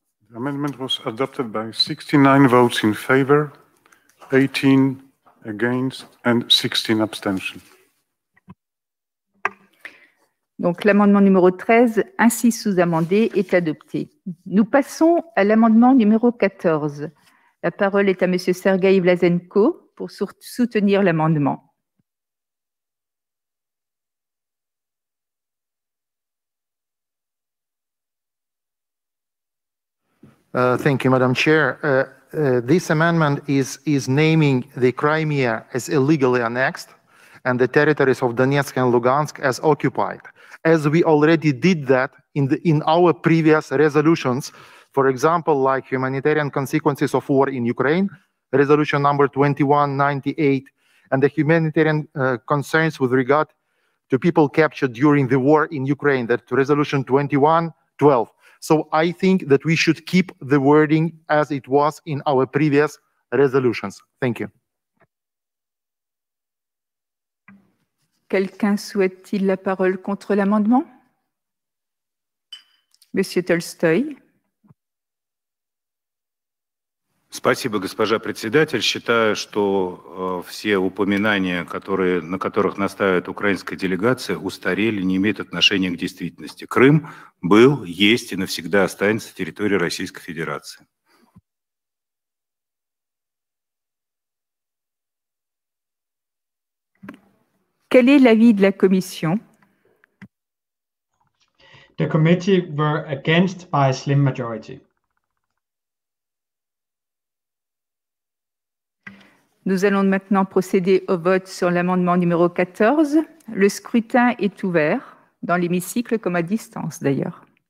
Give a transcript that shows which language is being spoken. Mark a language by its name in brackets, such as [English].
[English] The amendment was adopted by 69 votes in favor, 18 against and 16 abstentions. [French] Donc l'amendement numéro 13, ainsi sous-amendé, est adopté. Nous passons à l'amendement numéro 14. La parole est à Monsieur Sergueï Vlasenko pour soutenir l'amendement. [English] Thank you, Madam Chair. This amendment is naming the Crimea as illegally annexed and the territories of Donetsk and Lugansk as occupied, as we already did that in our previous resolutions, for example, like humanitarian consequences of war in Ukraine, resolution number 2198, and the humanitarian concerns with regard to people captured during the war in Ukraine, that resolution 2112. So I think that we should keep the wording as it was in our previous resolutions. Thank you. [French] Quelqu'un souhaite-t-il la parole contre l'amendement? Monsieur Tolstoy. [Russian] Спасибо, госпожа председатель. Считаю, что все упоминания, на которых настаивает украинская делегация, устарели, не имеют отношения к действительности. Крым был, есть и навсегда останется территорией Российской Федерации. [French] Quel est l'avis de la commission? [English] The committee were against by a slim majority. [French] Nous allons maintenant procéder au vote sur l'amendement numéro 14. Le scrutin est ouvert, dans l'hémicycle comme à distance d'ailleurs.